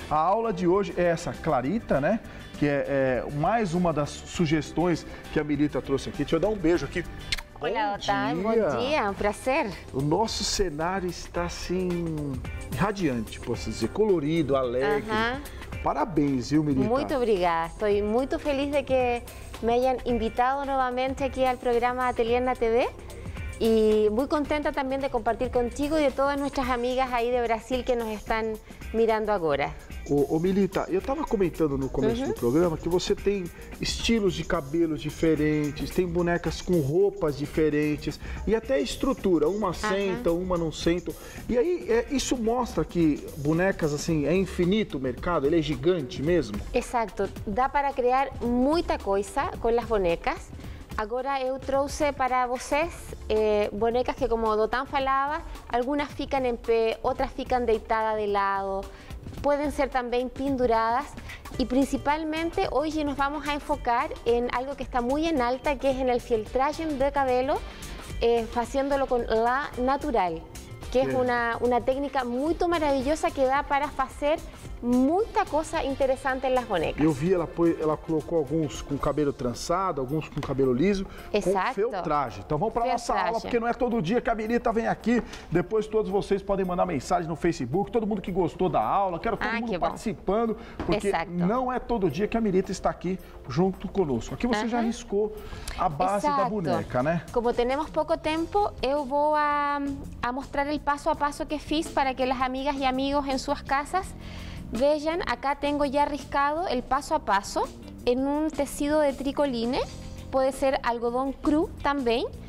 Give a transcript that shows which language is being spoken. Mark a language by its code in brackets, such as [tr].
[pt] A aula de hoje é essa Clarita, né? Que é mais uma das sugestões que a Milita trouxe aqui. Deixa eu dar um beijo aqui. Olá, Otávio. Bom dia, um prazer. O nosso cenário está assim, radiante, posso dizer, colorido, alegre. Parabéns, viu, Milita? Muito obrigada. [es] Estou muito feliz de que me hayan invitado nuevamente aquí al programa Telena TV y muy contenta también de compartir contigo y de todas nuestras amigas ahí de Brasil que nos están mirando ahora. [pt] Ô Milita, eu estava comentando no começo do programa que você tem estilos de cabelos diferentes, tem bonecas com roupas diferentes e até estrutura, uma senta, uma não senta. E aí, isso mostra que bonecas, assim, é infinito o mercado, ele é gigante mesmo? Exato, dá para criar muita coisa com as bonecas. Agora eu trouxe para vocês bonecas que, como o Dotan falava, algumas ficam em pé, outras ficam deitadas de lado. [es] Pueden ser también pinturadas y principalmente hoy nos vamos a enfocar en algo que está muy en alta, que es en el fieltraje de cabello, haciéndolo con la natural, que es una técnica muy maravillosa que da para hacer mucha cosa interesante en las bonecas. Yo vi, ella colocó algunos con cabello trançado, algunos con cabello liso, con fieltraje. Entonces vamos para nuestra aula, porque no es todo día que a Milita viene aquí. Después todos ustedes pueden mandar mensaje no Facebook, todo mundo que gustó de la aula, quiero todo mundo participando, porque no es todo día que a Milita está aquí [pt] junto conosco. Aquí você já arriscou a base da boneca, né? [es] Como tenemos poco tiempo, yo voy a mostrar el paso a paso que fiz para que las amigas y amigos en sus casas vean, acá tengo ya arriscado el paso a paso en un tecido de tricoline, puede ser algodón cru también.